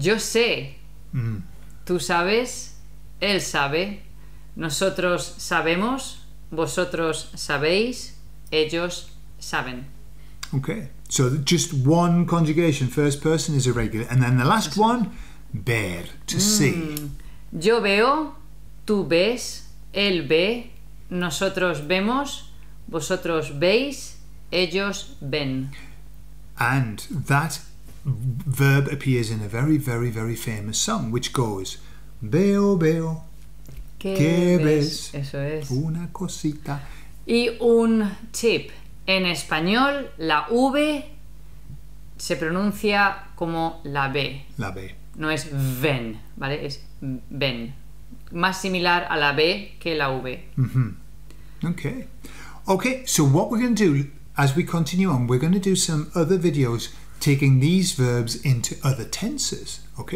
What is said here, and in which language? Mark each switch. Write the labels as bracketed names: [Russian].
[Spanish] Yo sé. Mm. Tú sabes, él sabe. Nosotros sabemos, vosotros sabéis, ellos saben. [English] Okay. So just one conjugation, first person is irregular. And then the last one, ver, to see. [Spanish] Yo veo, tú ves, él ve, nosotros vemos, vosotros veis, ellos ven. [English] And that verb appears in a very, very, very famous song, which goes, [Spanish] veo, veo, qué ves, eso es. Una cosita. Y un tip, en español, la V se pronuncia como la B. La B. No es ven, ¿vale? Es ven. más similar a la B que la V. [English] Mm-hmm. Okay. Okay, so what we're going to do as we continue on, we're going to do some other videos taking these verbs into other tenses, okay?